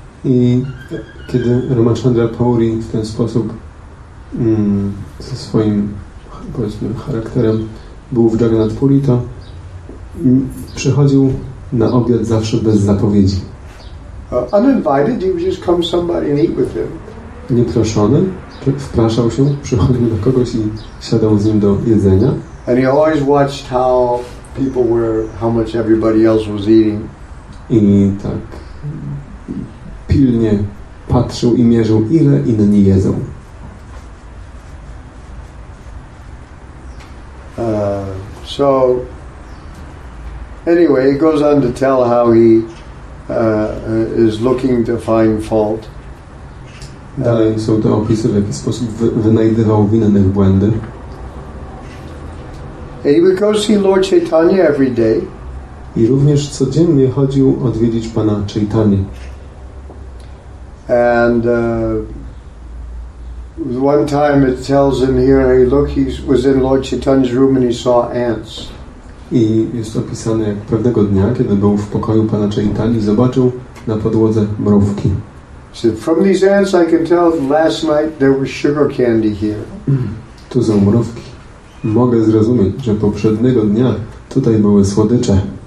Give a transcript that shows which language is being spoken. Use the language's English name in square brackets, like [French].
[Polish] I kiedy Ramachandra Puri w ten sposób ze swoim, powiedzmy, charakterem był w Jagannath Puri, to przychodził na obiad zawsze bez zapowiedzi. [English] Uninvited, he would just come somebody and eat with him. [Polish] Nieproszony, wpraszał się, przychodził do kogoś i siadał z nim do jedzenia. [English] And he always watched how people were, how much everybody else was eating. [Polish] I tak pilnie patrzył i mierzył, ile inni jedzą. [English] So anyway, he goes on to tell how he is looking to find fault. [Polish] Dalej są te opisy, w jaki sposób wynajdywał winnych błędy. [English] And he would go see Lord Chaitanya every day. [Polish] I również codziennie chodził odwiedzić pana Chaitanya. [English] And one time it tells him here, hey, look, he was in Lord Chaitanya's room and he saw ants. [Polish] I jest opisane, jak pewnego dnia, kiedy był w pokoju pana Chaitanya, zobaczył na podłodze mrówki. [English] So from these ants I can tell last night there was sugar candy here. [Polish] Tu są mrówki. Mogę zrozumieć, że poprzedniego dnia tutaj były słodycze.